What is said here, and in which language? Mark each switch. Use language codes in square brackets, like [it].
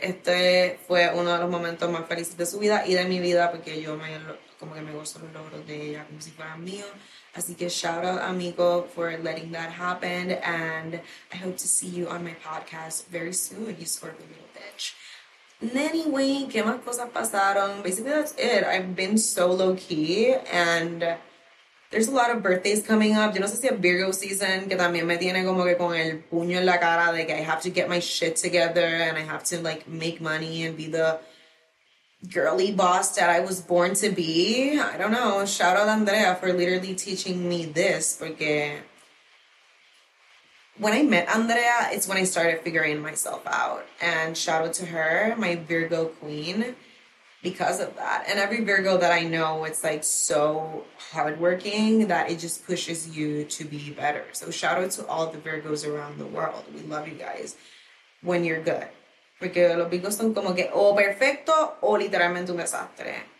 [es] Este fue uno de los momentos más felices de su vida y de mi vida porque yo me, como que me gozo los logros de ella como si fueran míos. Así que [en] shout out, amigo, for letting that happen. And I hope to see you on my podcast very soon, you sort of little bitch. Anyway, [es] ¿qué más cosas pasaron? [en] Basically, that's it. I've been so low-key. And there's a lot of birthdays coming up. [es] Yo no sé si es Virgo season, que también me tiene como que con el puño en la cara. [en] Like, I have to get my shit together. And I have to, like, make money and be the girly boss that I was born to be. I don't know. Shout out Andrea for literally teaching me this. [es] Porque [en] when I met Andrea, it's when I started figuring myself out. And shout out to her, my Virgo queen, because of that. And every Virgo that I know, it's like so hardworking that it just pushes you to be better. So shout out to all the Virgos around the world. We love you guys when you're good. [es] Porque los Virgos son como que o perfecto o literalmente un desastre.